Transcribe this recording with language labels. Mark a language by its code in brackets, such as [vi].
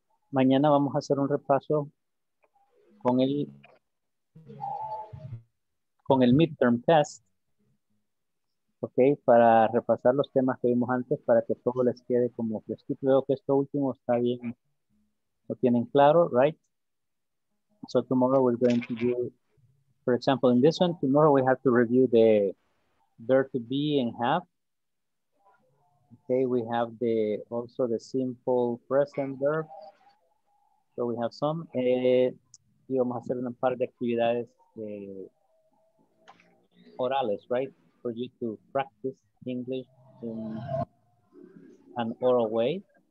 [es] Mañana vamos a hacer un repaso con el midterm test, ok, para repasar los temas que vimos antes para que todo les quede como fresquito. Veo que esto último está bien, lo tienen claro, right? [en] So tomorrow we're going to do, for example, in this one, tomorrow we have to review the there to be and have. Ok, we have the also the simple present verb. So we have some. [es] Y vamos a hacer un par de actividades orales, right? [en] For you to practice English in an oral way.